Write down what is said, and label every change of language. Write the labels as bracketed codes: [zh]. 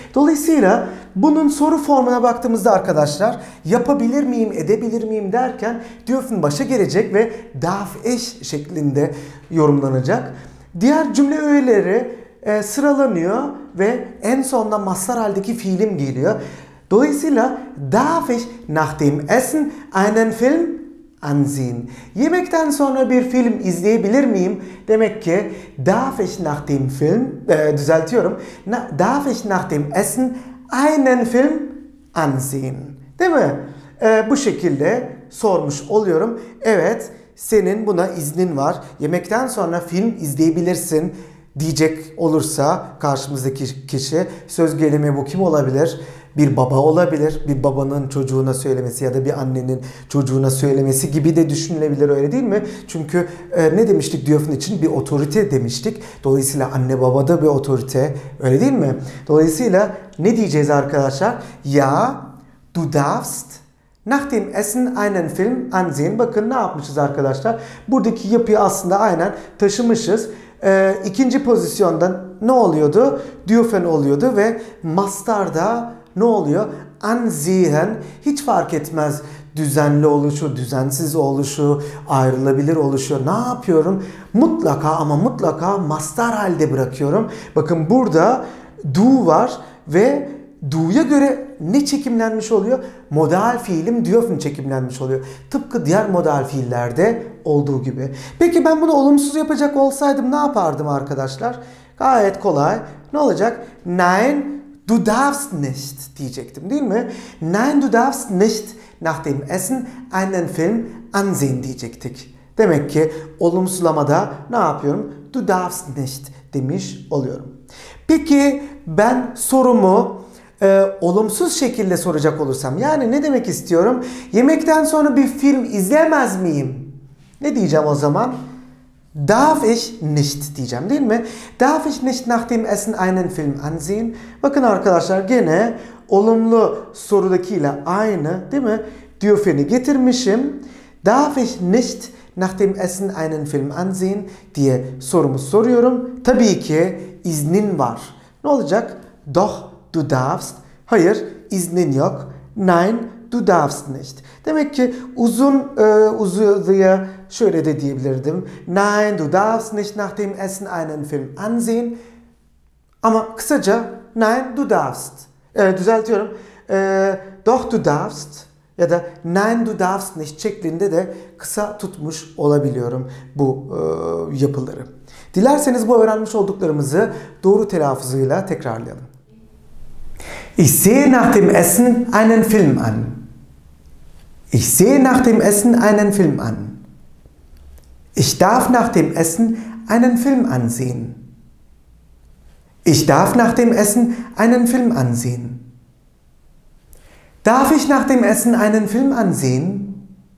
[tr] Dolayısıyla bunun soru formuna baktığımızda arkadaşlar, yapabilir miyim, edebilir miyim derken [de] dürfen [tr] başa gelecek ve [de] darf ich [tr] şeklinde yorumlanacak. Diğer cümle öğeleri sıralanıyor ve en sonunda mastar haldeki fiilim geliyor. Dolayısıyla [de] darf ich nach dem Essen einen Film ansehen. [tr] Yemekten sonra bir film izleyebilir miyim? Demek ki [de] darf ich nach dem Film [tr] düzeltiyorum. [de] Darf ich nach dem Essen einen Film ansehen. [tr] Değil mi? Bu şekilde sormuş oluyorum. Evet, senin buna iznin var. Yemekten sonra film izleyebilirsin diyecek olursa karşımızdaki kişi, söz gelimi bu kim olabilir? Bir baba olabilir, bir babanın çocuğuna söylemesi ya da bir annenin çocuğuna söylemesi gibi de düşünülebilir, öyle değil mi? Çünkü ne demiştik Diyofen için? Bir otorite demiştik. Dolayısıyla anne baba da bir otorite, öyle değil mi? Dolayısıyla ne diyeceğiz arkadaşlar? [de] Ya, du darfst nach dem Essen einen Film ansehen. [tr] Bakın ne yapmışız arkadaşlar? Buradaki yapıyı aslında aynen taşımışız. İkinci pozisyonda ne oluyordu? Diyofen oluyordu ve mastarda ne oluyor? Ansehen, hiç fark etmez düzenli oluşu, düzensiz oluşu, ayrılabilir oluşu, ne yapıyorum? Mutlaka ama mutlaka mastar halde bırakıyorum. Bakın burada du var ve du'ya göre ne çekimlenmiş oluyor? Modal fiilim Diyofen çekimlenmiş oluyor. Tıpkı diğer modal fiillerde olduğu gibi. Peki ben bunu olumsuz yapacak olsaydım ne yapardım arkadaşlar? Gayet kolay. Ne olacak? [de] Nein, du darfst nicht [tr] diyecektim, değil mi? [de] Nein, du darfst nicht nach dem Essen einen Film ansehen [tr] diyecektik. Demek ki olumsulamada ne yapıyorum? [de] Du darfst nicht [tr] demiş oluyorum. Peki ben sorumu olumsuz şekilde soracak olursam, yani ne demek istiyorum? Yemekten sonra bir film izlemez miyim? Ne diyeceğim o zaman? [de] Darf ich nicht [tr] diyeceğim, değil mi? [de] Darf ich nicht nach dem Essen einen Film ansehen? [tr] Bakın arkadaşlar, gene olumlu sorudakiyle aynı, değil mi? Diyofen'i getirmişim. [de] Darf ich nicht nach dem Essen einen Film ansehen [tr] diye sorumu soruyorum. Tabii ki iznin var. Ne olacak? [de] Doch, du darfst. [tr] Hayır, iznin yok. [de] Nein, du darfst nicht. [tr] Demek ki uzadıya şöyle de diyebilirdim. [de] Nein, du darfst nicht nach dem Essen einen Film ansehen. [tr] Ama kısaca [de] nein, du darfst. [tr] Düzeltiyorum. [de] Doch, du darfst. [tr] Ya da [de] nein, du darfst nicht [tr] şeklinde de kısa tutmuş olabiliyorum bu yapıları. Dilerseniz bu öğrenmiş olduklarımızı doğru telaffuzuyla tekrarlayalım. [de] Ich sehe nach dem Essen einen Film an. Ich sehe nach dem Essen einen Film an. Ich darf nach dem Essen einen Film ansehen. Ich darf nach dem Essen einen Film ansehen. Darf ich nach dem Essen einen Film ansehen?